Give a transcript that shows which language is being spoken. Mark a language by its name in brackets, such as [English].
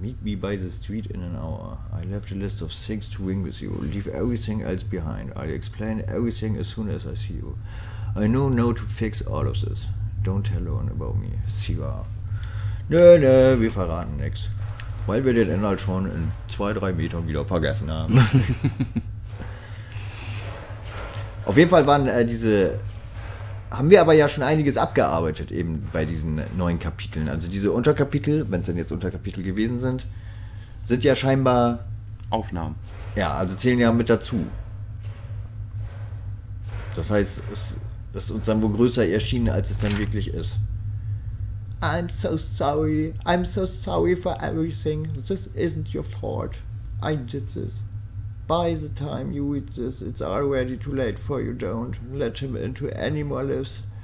[English] Meet me by the street in an hour. I left a list of things to wing with you. Leave everything else behind. I'll explain everything as soon as I see you. I know now to fix all of this. Don't tell anyone about me. [German] Siva. Nö, wir verraten nichts. Weil wir den Inhalt schon in 2-3 Metern wieder vergessen haben. Auf jeden Fall waren diese. Haben wir aber ja schon einiges abgearbeitet, eben bei diesen neuen Kapiteln. Also diese Unterkapitel, wenn es denn jetzt Unterkapitel gewesen sind, sind ja scheinbar. Aufnahmen. Ja, also zählen ja mit dazu. Das heißt, es ist uns dann wohl größer erschienen, als es dann wirklich ist. [English] I'm so sorry for everything. This isn't your fault. I did this. By the time you read this, it's already too late for you. Don't let him into any more lives.